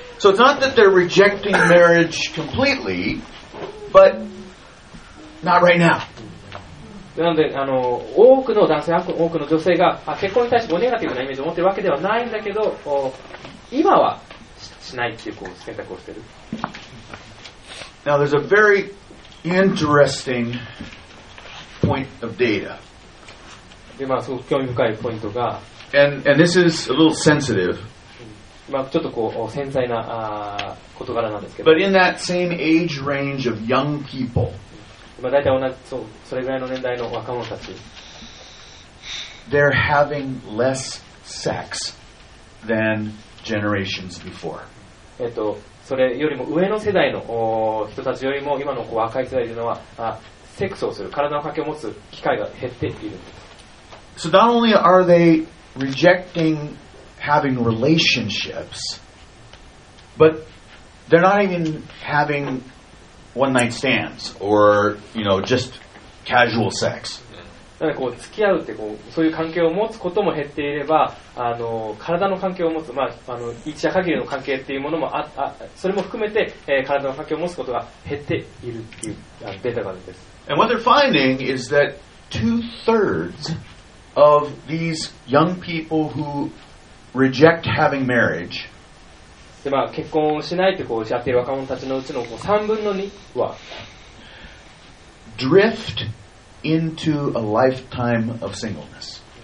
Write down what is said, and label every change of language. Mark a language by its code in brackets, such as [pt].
[en] So it's not that they're rejecting marriage completely, but not right now. [ja] なので多くの男性、多くの女性が結婚に対してもネガティブなイメージを持っているわけではないんだけど、今は しないっていうこう選択をしている。 [en] Now there's a very interesting point of data. [ja] で、まあすごく興味深いポイントが。 [en] And this is a little sensitive. [ja] まあちょっとこう繊細な事柄なんですけど。 [en] But in that same age range of young people, [ja] まあ大体同じそれぐらいの年代の若者たち、 [en] they're having less sex than generations before. [ja] それよりも上の世代の人たちよりも今の若い世代というのはセックスをする体の関係を持つ機会が減っているんです。 [en] So not only are they rejecting having relationships, but they're not even having one night stands or, you know, just casual sex. [ja] だからこう付き合うってこうそういう関係を持つことも減っていれば、あの体の関係を持つ、まあ、あの一夜限りの関係っていうものもああそれも含めて、体の関係を持つことが減っているっていうデータがあるんです。 [en] And what they're finding is that two-thirds of these young people who reject having marriage、 [ja] まあ、結婚をしないってこうやっている若者たちのうちのこう3分の2は [en] driftinto a lifetime of singleness.